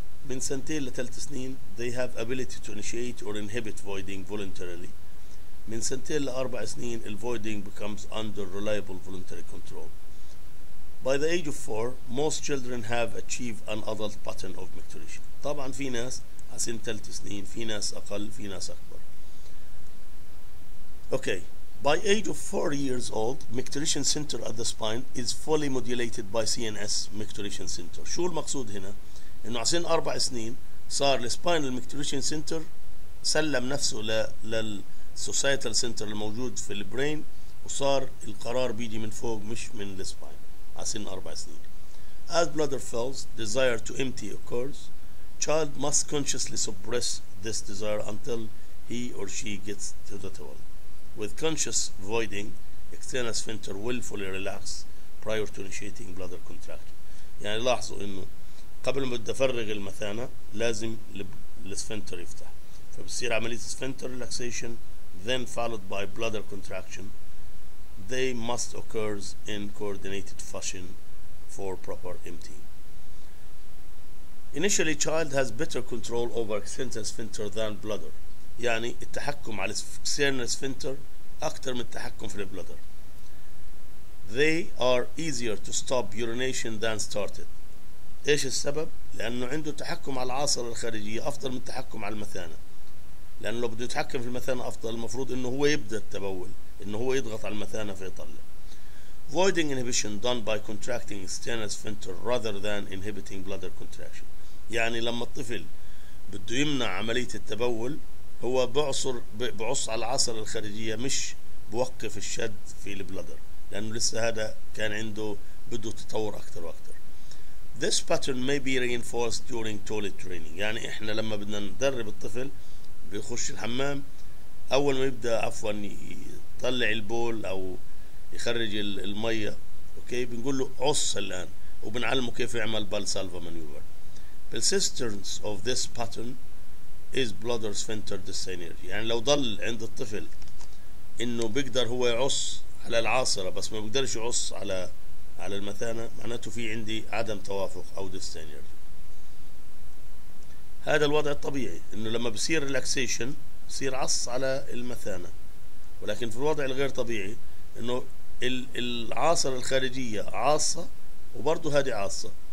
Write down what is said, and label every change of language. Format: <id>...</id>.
<ar>من سنتين لتلت سنين</ar> <en>they have ability to initiate or inhibit voiding voluntarily.</en> <ar>من سنتين لأربع سنين</ar> <en>the voiding becomes under reliable voluntary control. By the age of 4 most children have achieved an adult pattern of micturition.</en> <ar>طبعا في ناس عسن تلت سنين، في ناس أقل، في ناس أكبر.</ar> <en>Okay. By age of 4 years old micturition center at the spine is fully modulated by CNS micturition center.</en> <ar>شو المقصود هنا؟ إنه عسن أربع سنين صار الspinal micturition center سلم نفسه لل societal center الموجود في البرين وصار القرار بيجي من فوق مش من الspine. عسن أربع سنين.</ar> <en>As bladder fills, desire to empty occurs. Child must consciously suppress this desire until he or she gets to the toilet. With conscious voiding, external sphincter will fully relax prior to initiating bladder contraction.</en> <ar>يعني لاحظوا إنه قبل ما بدي أفرغ المثانة لازم السفنتر يفتح. فبصير عملية سفنتر ريلاكسيشن</ar> <en>then followed by bladder contraction. They must occur in coordinated fashion for proper emptying. Initially, child has better control over external sphincter than bladder.</en> <ar>يعني التحكم على external sphincter أكثر من التحكم في البلادر.</ar> <en>They are easier to stop urination than started.</en> <ar>إيش السبب؟ لأنه عنده تحكم على العاصرة الخارجية أفضل من التحكم على المثانة. لأنه لو بده يتحكم في المثانة أفضل المفروض إنه هو يبدأ التبول، إنه هو يضغط على المثانة فيطلع.</ar> <en>Voiding inhibition done by contracting external sphincter rather than inhibiting bladder contraction.</en> <ar>يعني لما الطفل بده يمنع عملية التبول هو بعصر بعص على العصر الخارجية مش بوقف الشد في البلادر لأنه لسه هذا كان عنده بده تطور أكثر وأكثر.</ar> <en>This pattern may be reinforced during toilet training.</en> <ar>يعني إحنا لما بدنا ندرب الطفل بيخش الحمام أول ما يبدأ عفوا يطلع البول أو يخرج المية أوكي بنقول له عص الآن وبنعلمه كيف يعمل بالسالفا مانيوفر.</ar> <en>Persistence of this pattern is bladder sphincter dyssynergy.</en> <ar>يعني لو ضل عند الطفل انه بيقدر هو يعص على العاصرة بس ما بيقدرش يعص على المثانة معناته في عندي عدم توافق او dyssynergy. هذا الوضع الطبيعي انه لما بصير relaxation بصير عص على المثانة، ولكن في الوضع الغير طبيعي انه العاصرة الخارجية عاصة وبرضو هذه عاصة.</ar>